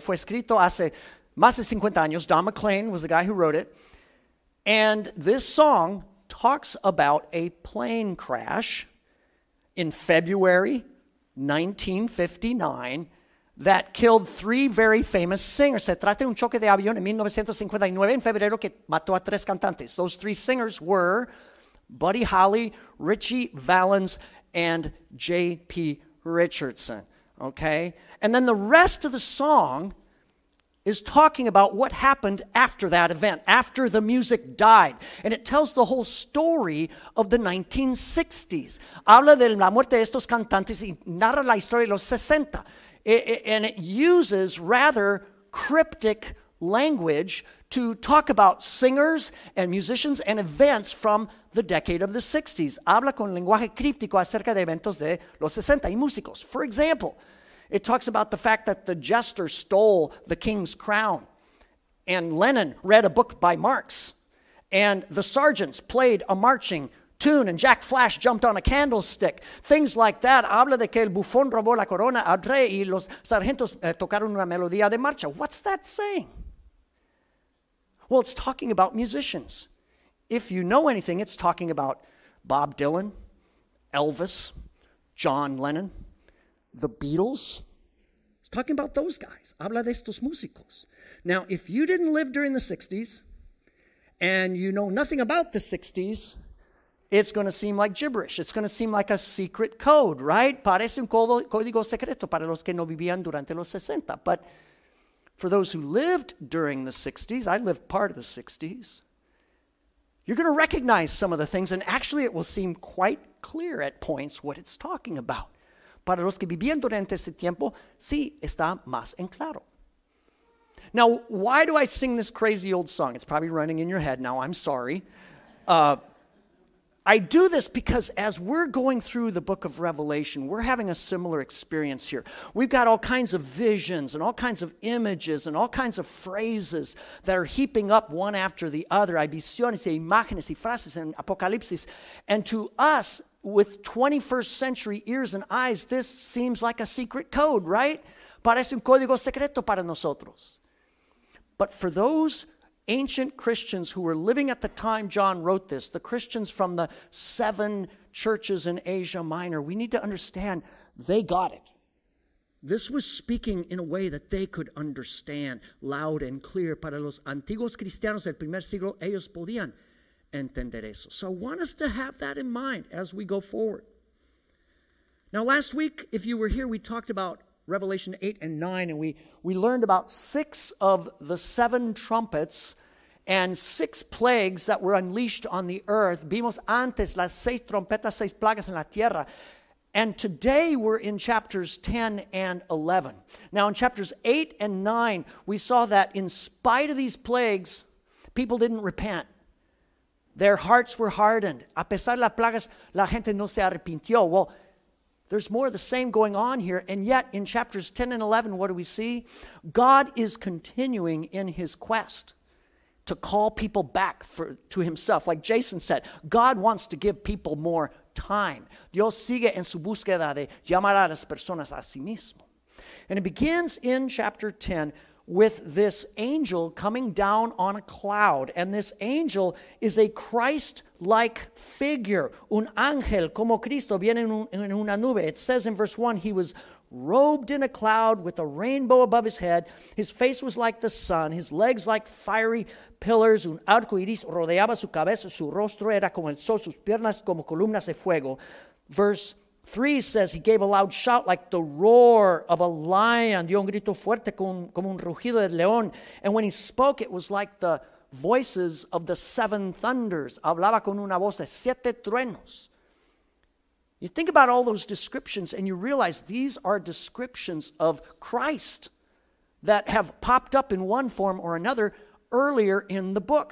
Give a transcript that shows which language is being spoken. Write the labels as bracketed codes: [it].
[es] Fue escrito hace más de 50 años. [en] Don McLean was the guy who wrote it. And this song talks about a plane crash in February 1959 that killed three very famous singers. [es] Se trata de un choque de avión en 1959 en febrero que mató a tres cantantes. [en] Those three singers were Buddy Holly, Ritchie Valens, and J.P. Richardson, okay? And then the rest of the song is talking about what happened after that event, after the music died. And it tells the whole story of the 1960s. [es] Habla de la muerte de estos cantantes y narra la historia de los 60. [en] And it uses rather cryptic language to talk about singers and musicians and events from the decade of the 60s. [es] Habla con lenguaje críptico acerca de eventos de los 60 y músicos. [en] For example, it talks about the fact that the jester stole the king's crown, and Lenin read a book by Marx, and the sergeants played a marching tune, and Jack Flash jumped on a candlestick. Things like that. [es] Habla de que el bufón robó la corona al rey y los sargentos tocaron una melodía de marcha. [en] What's that saying? Well, it's talking about musicians. If you know anything, it's talking about Bob Dylan, Elvis, John Lennon, the Beatles. It's talking about those guys. [es] Habla de estos músicos. [en] Now, if you didn't live during the 60s and you know nothing about the 60s, it's going to seem like gibberish. It's going to seem like a secret code, right? [es] Parece un código secreto para los que no vivían durante los 60. [en] But for those who lived during the 60s, I lived part of the 60s, you're going to recognize some of the things, and actually it will seem quite clear at points what it's talking about. [es] Para los que vivían durante ese tiempo, sí, está más en claro. [en] Now, why do I sing this crazy old song? It's probably running in your head now, I'm sorry. I do this because as we're going through the book of Revelation, we're having a similar experience here. We've got all kinds of visions and all kinds of images and all kinds of phrases that are heaping up one after the other. [es] Hay visiones, hay imágenes, hay frases en Apocalipsis. [en] And to us, with 21st century ears and eyes, this seems like a secret code, right? [es] Parece un código secreto para nosotros. [en] But for those ancient Christians who were living at the time John wrote this, the Christians from the seven churches in Asia Minor, we need to understand they got it. This was speaking in a way that they could understand loud and clear. [es] Para los antiguos cristianos del primer siglo, ellos podían entender eso. [en] So I want us to have that in mind as we go forward. Now, last week, if you were here, we talked about Revelation 8 and 9, and we learned about six of the seven trumpets and six plagues that were unleashed on the earth. [es] Vimos antes las seis trompetas, seis plagas en la tierra. [en] And today we're in chapters 10 and 11. Now in chapters 8 and 9, we saw that in spite of these plagues, people didn't repent. Their hearts were hardened. [es] A pesar de las plagas, la gente no se arrepintió. [en] Well, there's more of the same going on here, and yet in chapters 10 and 11, what do we see? God is continuing in his quest to call people back to himself. Like Jason said, God wants to give people more time. [es] Dios sigue en su búsqueda de llamar a las personas a sí mismo. [en] And it begins in chapter 10 with this angel coming down on a cloud, and this angel is a Christ-like figure. [es] Un ángel como Cristo viene en una nube. [en] It says in verse 1, he was robed in a cloud with a rainbow above his head. His face was like the sun, his legs like fiery pillars. [es] Un arco iris rodeaba su cabeza, su rostro era como el sol, sus piernas como columnas de fuego. [en] Verse 3 says he gave a loud shout like the roar of a lion. [es] Dio un grito fuerte como un rugido de león. [en] And when he spoke, it was like the voices of the seven thunders. [es] Hablaba con una voz de siete truenos. [en] You think about all those descriptions and you realize these are descriptions of Christ that have popped up in one form or another earlier in the book.